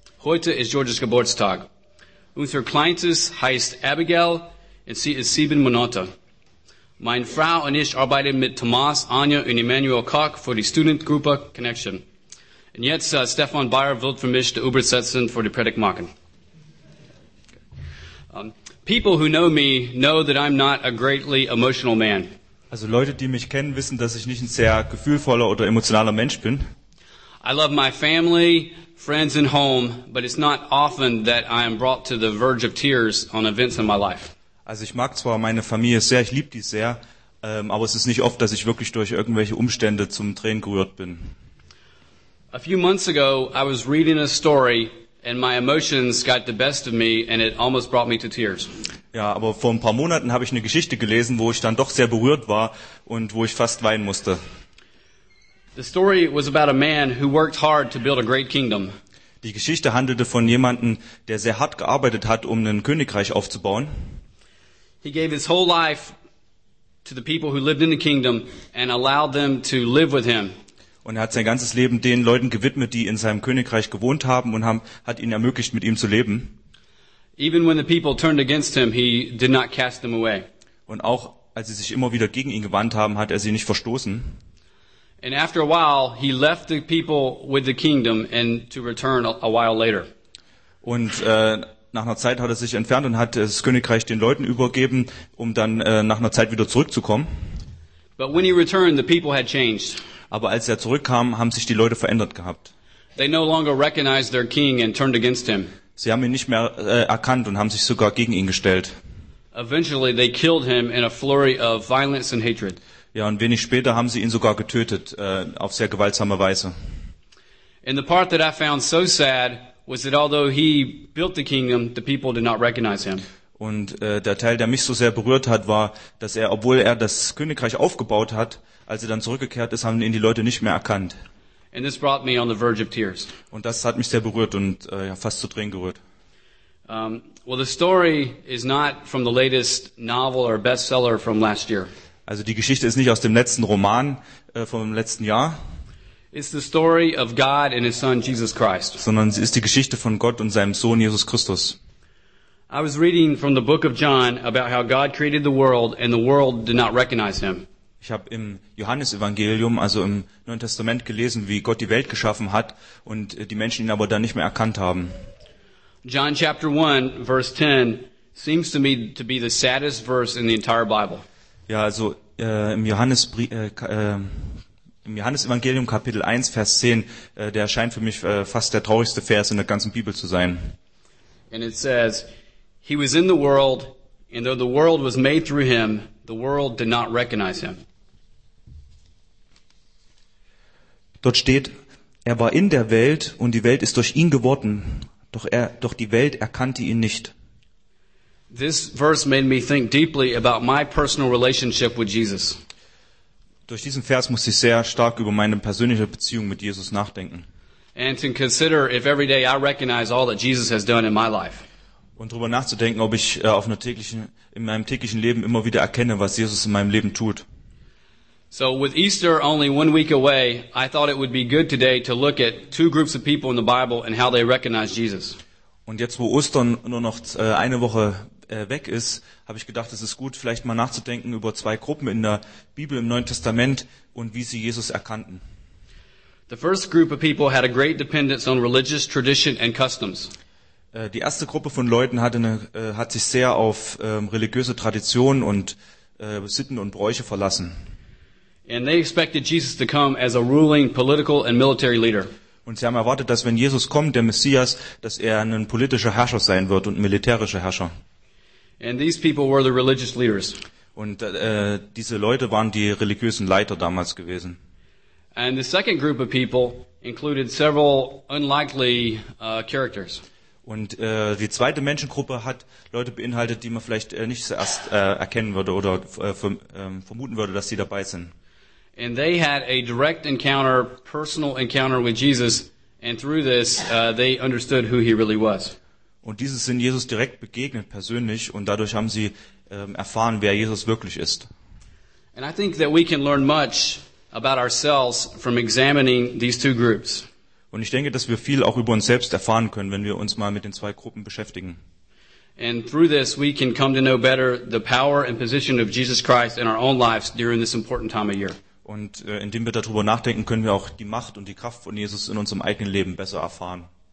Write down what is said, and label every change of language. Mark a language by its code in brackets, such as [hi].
[de] Heute ist Georgias Geburtstag. Unser Kleinstes heißt Abigail und sie ist 7 Monate. Meine Frau und ich arbeiten mit Thomas, Anja und Emmanuel Koch für die Studentengruppe Connection. Und jetzt Stefan Bayer wird für mich die Übersetzung für die Predigt machen. [en] People who know me know that I'm not a greatly emotional man. [de] Also Leute, die mich kennen, wissen, dass ich nicht ein sehr gefühlvoller oder emotionaler Mensch bin. [en] I love my family, friends and home, but it's not often that I am brought to the verge of tears on events in my life. [de] Also ich mag zwar meine Familie sehr, ich liebe die sehr, aber es ist nicht oft, dass ich wirklich durch irgendwelche Umstände zum Tränen gerührt bin. [en] A few months ago, I was reading a story and my emotions got the best of me and it almost brought me to tears. [de] Ja, aber vor ein paar Monaten habe ich eine Geschichte gelesen, wo ich dann doch sehr berührt war und wo ich fast weinen musste. [en] The story was about a man who worked hard to build a great kingdom. [de] Die Geschichte handelte von jemandem, der sehr hart gearbeitet hat, um ein Königreich aufzubauen. [en] He gave his whole life to the people who lived in the kingdom and allowed them to live with him. [de] Und er hat sein ganzes Leben den Leuten gewidmet, die in seinem Königreich gewohnt haben und hat ihnen ermöglicht, mit ihm zu leben. [en] Even when the people turned against him, he did not cast them away. [de] Und auch als sie sich immer wieder gegen ihn gewandt haben, hat er sie nicht verstoßen. [en] And after a while, he left the people with the kingdom and to return a while later. [de] Und nach einer Zeit hat er sich entfernt und hat das Königreich den Leuten übergeben, um dann nach einer Zeit wieder zurückzukommen. [en] But when he returned, the people had changed. [de] Aber als er zurückkam, haben sich die Leute verändert gehabt. [en] They no longer recognized their king and turned against him. [de] Sie haben ihn nicht mehr erkannt und haben sich sogar gegen ihn gestellt. [en] Eventually, they killed him in a flurry of violence and hatred. [de] Ja, und wenig später haben sie ihn sogar getötet, auf sehr gewaltsame Weise. [en] And the part that I found so sad was that although he built the kingdom, the people did not recognize him. [de] Und der Teil, der mich so sehr berührt hat, war, dass er, obwohl er das Königreich aufgebaut hat, als er dann zurückgekehrt ist, haben ihn die Leute nicht mehr erkannt. [en] And this brought me on the verge of tears. [de] Und das hat mich sehr berührt und fast zu Tränen gerührt. [en] Well, the story is not from the latest novel or bestseller from last year. [de] Also die Geschichte ist nicht aus dem letzten Roman vom letzten Jahr. [en] It's the story of God and his son Jesus Christ. [de] Sondern es ist die Geschichte von Gott und seinem Sohn Jesus Christus. [en] I was reading from the book of John about how God created the world and the world did not recognize him. [de] Ich habe im Johannesevangelium, also im Neuen Testament gelesen, wie Gott die Welt geschaffen hat und die Menschen ihn aber dann nicht mehr erkannt haben. [en] John chapter 1 verse 10 seems to me to be the saddest verse in the entire Bible. [de] Ja, also im Johannesevangelium Kapitel 1, Vers 10, der scheint für mich fast der traurigste Vers in der ganzen Bibel zu sein. [en] And it says, he was in the world, and though the world was made through him, the world did not recognize him. [de] Dort steht, er war in der Welt, und die Welt ist durch ihn geworden, doch die Welt erkannte ihn nicht. [en] This verse made me think deeply about my personal relationship with Jesus. [de] Durch diesen Vers musste ich sehr stark über meine persönliche Beziehung mit Jesus nachdenken. [en] And to consider if every day I recognize all that Jesus has done in my life. [de] Und darüber nachzudenken, ob ich in meinem täglichen Leben immer wieder erkenne, was Jesus in meinem Leben tut. [en] So with Easter only 1 week away, I thought it would be good today to look at 2 groups of people in the Bible and how they recognize Jesus. [de] Und jetzt, wo Ostern nur noch eine Woche weg ist, habe ich gedacht, es ist gut, vielleicht mal nachzudenken über 2 Gruppen in der Bibel im Neuen Testament und wie sie Jesus erkannten. [en] The first group of people had a great dependence on religious tradition and customs. [de] Die erste Gruppe von Leuten hat sich sehr auf religiöse Traditionen und Sitten und Bräuche verlassen. [en] And they expected Jesus to come as a ruling political and military leader. [de] Und sie haben erwartet, dass wenn Jesus kommt, der Messias, dass er ein politischer Herrscher sein wird und ein militärischer Herrscher. [en] And these people were the religious leaders. [de] Und diese Leute waren die religiösen Leiter damals gewesen. [en] And the second group of people included several unlikely characters. [de] Und die zweite Menschengruppe hat Leute beinhaltet, die man vielleicht nicht zuerst erkennen würde oder vermuten würde, dass sie dabei sind. [en] And they had a direct encounter, personal encounter with Jesus, and through this they understood who he really was. [de] Und diese sind Jesus direkt begegnet, persönlich, und dadurch haben sie erfahren, wer Jesus wirklich ist. [en] And I think that we can learn much about ourselves from examining these two groups. [de] Und ich denke, dass wir viel auch über uns selbst erfahren können, wenn wir uns mal mit den zwei Gruppen beschäftigen. [en] And through this we can come to know better the power and position of Jesus Christ in our own lives during this important time of year. [de] Und indem wir darüber nachdenken, können wir auch die Macht und die Kraft von Jesus in unserem eigenen Leben besser erfahren.